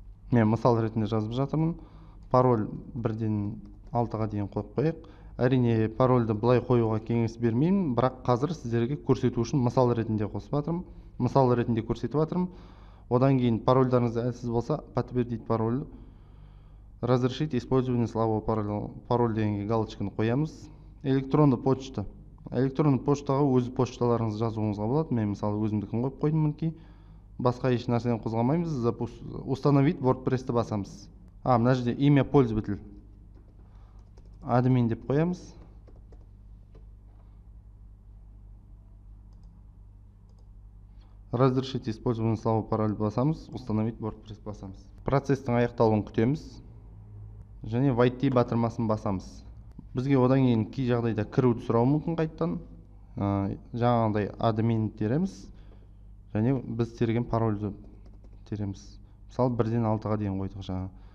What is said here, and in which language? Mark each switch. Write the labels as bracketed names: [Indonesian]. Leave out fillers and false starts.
[Kazakh] Мен мысал ретінде жазып жатырмын. Пароль бірден 6-ға дейін қойып қояйық. Әрине, парольді былай қоюға кеңес бермеймін, бірақ қазір сіздерге көрсету үшін мысал ретінде қосып жатырмын. Мысал ретінде көрсетіп жатырмын. Одан кейін парольдарыңыз әлсіз болса, [Russian] подтвердить пароль. Разрешить использование слабого пароля. [Kazakh] Пароль дегенге галочканы қоямыз. Электронды почта. Электронды поштаға өз пошталарыңыз жазуыңызға болады. Мен мысалы өзімдікін қойып қойдым мінекей. Басқа еш нәрсені қозғамаймыз. Установить WordPress-ті басамыз. Мына жерде име пользователь. Админ деп қоямыз. [Russian] Разрешить использование слабого пароля [Kazakh] басамыз. Установить WordPress басамыз. Процестің аяқталуын күтеміз. Және YT батырмасын басамыз. Бізге одан кейін кей жағдайда кіруді сұрауы мүмкін қайттан. Жаңағындай админ тереміз. Және біз терген парольді тереміз. Мысалы, бірден 6-ға дейін қойдық жаңа.